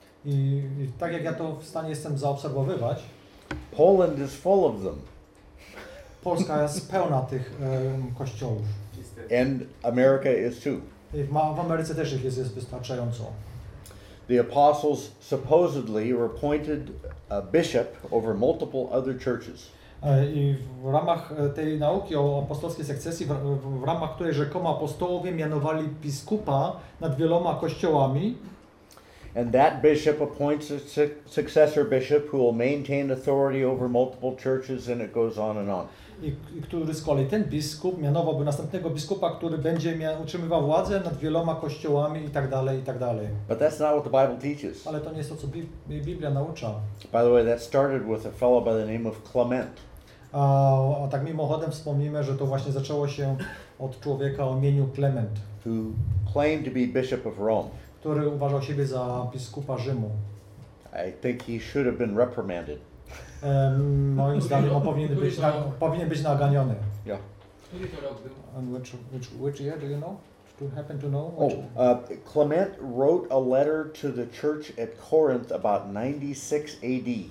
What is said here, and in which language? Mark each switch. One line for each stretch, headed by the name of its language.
Polish: i tak jak ja to w stanie jestem zaobserwowywać,
English: Poland is full of them.
Polish: Polska jest pełna tych kościołów.
English: And America is too.
Polish: W Ameryce też ich jest wystarczająco.
English: The apostles supposedly were appointed a bishop over multiple other churches.
Polish: I w ramach tej nauki o apostolskiej sukcesji, w ramach której rzekomo apostołowie mianowali biskupa nad wieloma kościołami.
English: And that bishop appoints a successor bishop who will maintain authority over multiple churches, and it goes on and on.
Polish: I który z kolei ten biskup mianowałby następnego biskupa, który będzie utrzymywał władzę nad wieloma kościołami i tak dalej, i tak dalej.
English: But that's not what the Bible teaches.
Polish: Ale to nie jest to, co Biblia naucza.
English: By the way, that started with a fellow by the name of Clement.
Polish: A tak mimochodem wspomnimy, że to właśnie zaczęło się od człowieka o imieniu Clement,
English: who claimed to be bishop of Rome.
Polish: Który uważał siebie za biskupa Rzymu.
English: I think he should have been reprimanded.
Polish: Moim zdaniem on powinien być naganiony.
English: Yeah. And which year do you know? Do you happen to know? Clement wrote a letter to the church at Corinth about 96 AD.